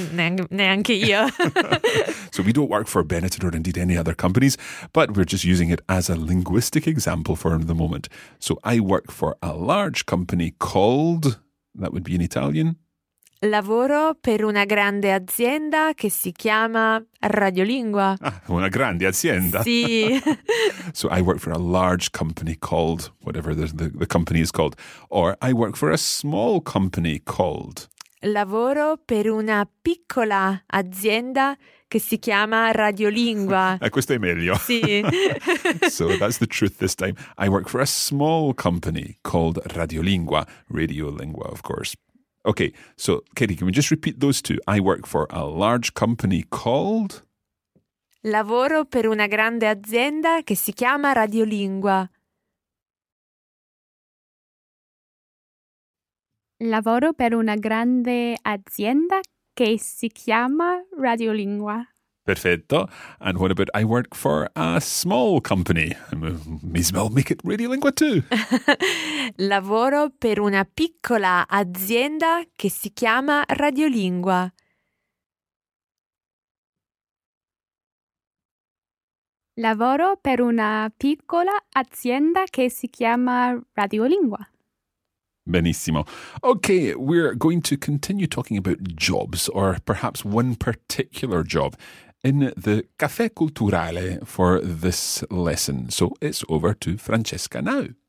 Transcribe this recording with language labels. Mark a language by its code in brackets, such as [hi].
[it] Neanche io. [en] So we don't work for Benetton or indeed any other companies, but we're just using it as a linguistic example for the moment. So I work for a large company called, that would be in Italian. [it] Lavoro per una grande azienda che si chiama Radiolingua. Ah, una grande azienda. Sì. [en] So I work for a large company called, whatever the company is called. Or I work for a small company called. [it] Lavoro per una piccola azienda che si chiama Radiolingua. Questo è meglio. Sì. [en] So that's the truth this time. I work for a small company called Radiolingua. Radiolingua, of course. Okay, so Katie, can we just repeat those two? I work for a large company called? [it] Lavoro per una grande azienda che si chiama Radiolingua. Lavoro per una grande azienda che si chiama Radiolingua. Perfetto. [en] And what about I work for a small company? May as well make it Radiolingua too. [it] Lavoro per una piccola azienda che si chiama Radiolingua. Lavoro per una piccola azienda che si chiama Radiolingua. Benissimo. [en] Okay, we're going to continue talking about jobs or perhaps one particular job. In the caffè culturale for this lesson. So it's over to Francesca now.